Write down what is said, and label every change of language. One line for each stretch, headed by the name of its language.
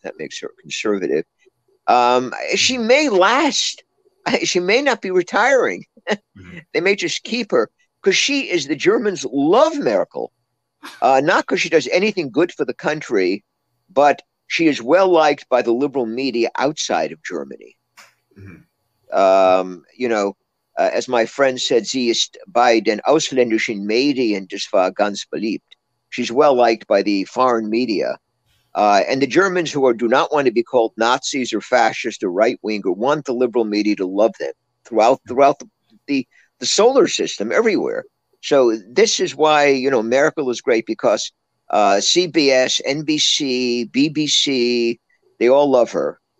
English: That makes her a conservative. She may last. She may not be retiring. They may just keep her because she is the Germans love Merkel, not because she does anything good for the country, but she is well liked by the liberal media outside of Germany. You know, as my friend said,
German: sie ist bei den ausländischen Medien das war ganz beliebt.
English: She's well liked by the foreign media. And the Germans do not want to be called Nazis or fascist or right-wing or want the liberal media to love them throughout the solar system, everywhere. So this is why, you know, Merkel is great, because CBS, NBC, BBC, they all love her.